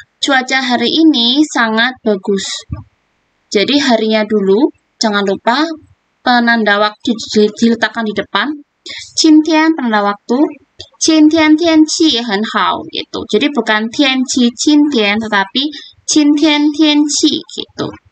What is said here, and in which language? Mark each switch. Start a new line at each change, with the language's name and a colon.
Indonesian: Cuaca hari ini sangat bagus. Jadi harinya dulu, jangan lupa penanda waktu diletakkan di depan. 今天 penanda waktu.
Chinese: 今天天气很好, gitu.
Indonesian: Jadi bukan 天气, 今天, tetapi 今天天气, gitu.